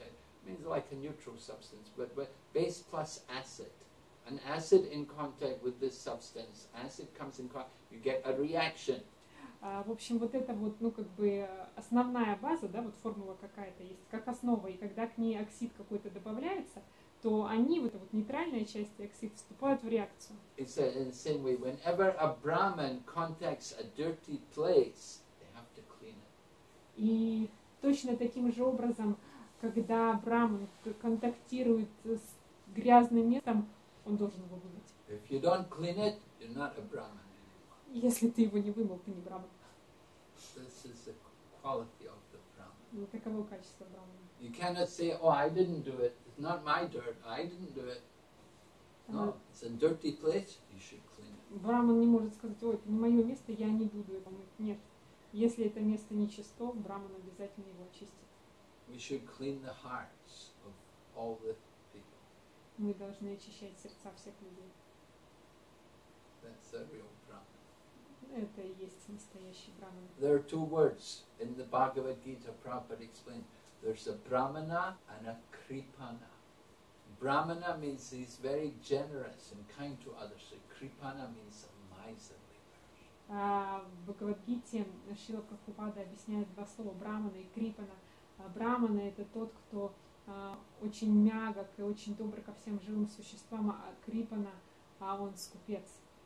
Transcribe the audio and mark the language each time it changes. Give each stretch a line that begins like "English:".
English: It means like a neutral substance, but base plus acid. An acid in contact with this substance, acid comes in contact, you get a reaction.
Russian: В общем, вот это вот, ну, как бы основная база, да, вот формула какая-то есть, как основа, и когда к ней оксид какой-то добавляется, то они, вот эта вот нейтральная часть оксид, вступают в реакцию.
English: It's in the same way, whenever a Brahman contacts a dirty place, they have to clean it.
Russian: И точно таким же образом, когда Брахман контактирует с грязным местом, он должен его вымыть.
English: If you don't clean it, you're not a Brahman.
Russian: Если ты его не вымыл, ты не Брахман.
English: This is the quality of the Brahman.
Russian: Вот таково качество Брахмана.
English: You cannot say, oh, I didn't do it. It's not my dirt. I didn't do it. No, it's a dirty place. You should clean it.
Russian: Брахман не может сказать, ой, это не мое место, я не буду его мыть. Нет. Если это место нечисто, Брахман обязательно его очистит.
English: We should clean the hearts of all the people.
Russian: Мы должны очищать сердца всех людей.
English: That's the real Brahman.
Russian: Это и есть настоящий Брахман.
English: There are two words in the Bhagavad Gita, Prabhupada explained. There's a Brahmana and a Kripana. Brahmana means he's very generous and kind to others. So Kripana means a miserly person.
Russian: В Бхагавад Гите Шрила Прабхупада объясняет два слова Брахмана и Крипана. Брахмана – это тот, кто очень мягок и очень добр ко всем живым существам, а Крипана – он скупец.